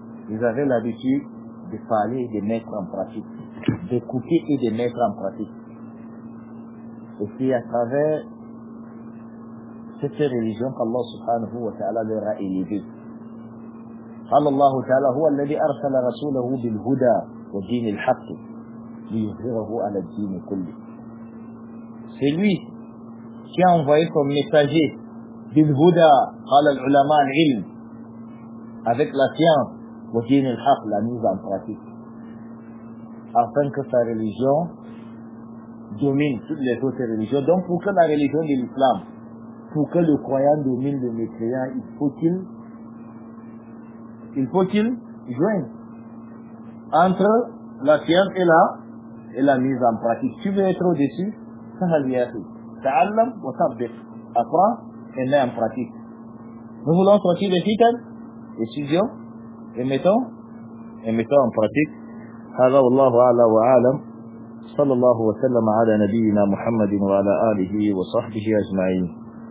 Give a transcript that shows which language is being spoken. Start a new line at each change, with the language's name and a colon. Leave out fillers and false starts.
French: Ils avaient l'habitude de parler et de mettre en pratique, d'écouter et de mettre en pratique. Et c'est à travers cette religion qu'Allah subhanahu wa ta'ala leur a élevé.
Arabic: Allah ta'ala, هو الذي أرسل رسوله بالهدى ودين الحق ليظهره على الدين كله.
French: C'est lui qui a envoyé son messager
Arabic: بالهدى قال العلماء العلم,
French: avec la science,
Arabic: ودين الحق,
French: la mise en pratique. afin que sa religion domine toutes les autres religions. Donc pour que la religion de l'islam, pour que le croyant domine le mécréant, il faut qu'il joigne entre la science et la mise en pratique. Tu veux être au-dessus, ça va lui arriver.
Arabic: Ta'allam wa tabbiq.
French: Apprends et mets en pratique. Nous voulons sortir des fitan, décision, et mettons en pratique.
Arabic: هذا والله أعلى وأعلم صلى الله وسلم على نبينا محمد وعلى آله وصحبه أجمعين